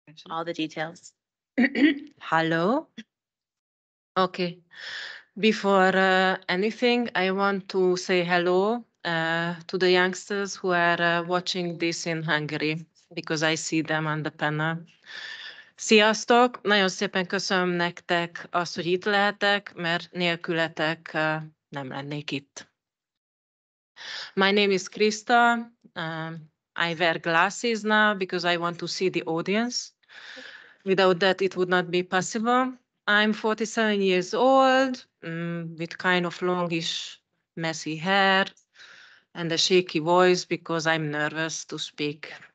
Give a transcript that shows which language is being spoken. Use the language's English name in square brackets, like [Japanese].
[English] All the details. Hello? Okay. Before anything, I want to say hello to the youngsters who are watching this in Hungary, because I see them on the panel. [Hungarian] Sziasztok! Nagyon szépen köszönöm nektek azt, hogy itt lehetek, mert nélkületek nem lennék itt. [English] My name is Kriszta. I wear glasses now because I want to see the audience. Without that, it would not be possible. I'm 47 years old, with kind of longish, messy hair and a shaky voice because I'm nervous to speak.